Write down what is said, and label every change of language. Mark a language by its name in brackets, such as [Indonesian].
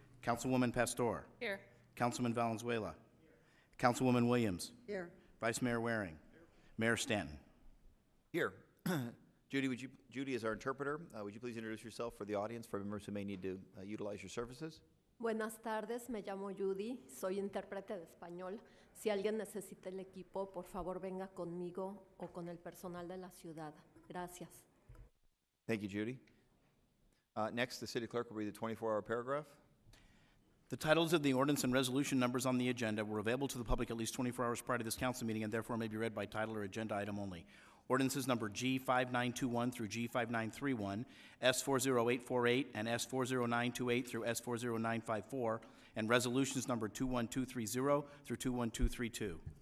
[English] Councilwoman Pastor. Here. Councilman Valenzuela. Here. Councilwoman Williams. Here. Vice Mayor Waring. Here. Mayor Stanton. Here. Judy is our interpreter. Would you please introduce yourself for the audience, for members who may need to utilize your services? [Spanish] Buenas tardes, me llamo Judy, soy intérprete de español. Si alguien necesita el equipo, por favor venga conmigo o con el personal de la ciudad. Gracias. [English] Thank you, Judy. Next, the city clerk will read the 24-hour paragraph. The titles of the ordinance and resolution numbers on the agenda were available to the public at least 24 hours prior to this council meeting and therefore may be read by title or agenda item only. Ordinances number G5921 through G5931, S40848 and S40928 through S40954, and resolutions number 21230 through 21232.